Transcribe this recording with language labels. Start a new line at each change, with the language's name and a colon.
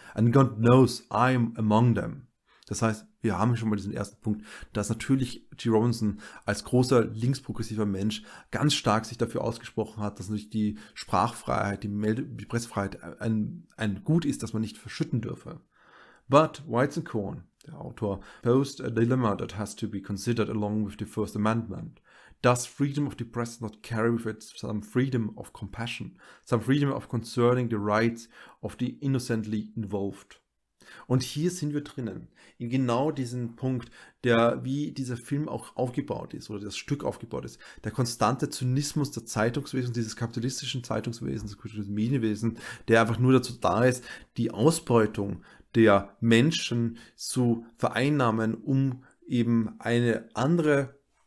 English: And God knows, I am among them.
German: Das heißt, wir haben schon mal diesen ersten Punkt, dass natürlich G. Robinson als großer linksprogressiver Mensch ganz stark sich dafür ausgesprochen hat, dass natürlich die Sprachfreiheit, die Pressefreiheit ein Gut ist, das man nicht verschütten dürfe.
English: But Weizen Korn,
German: der Autor,
English: posed a dilemma that has to be considered along with the First Amendment. Does freedom of the press not carry with it some freedom of compassion, some freedom of concerning the rights of the innocently involved?
German: Und hier sind wir drinnen, in genau diesem Punkt, der, wie dieser Film auch aufgebaut ist oder das Stück aufgebaut ist, der konstante Zynismus der Zeitungswesen, dieses kapitalistischen Zeitungswesens, des Medienwesens, der einfach nur dazu da ist, die Ausbeutung der Menschen zu vereinnahmen, um eben eine andere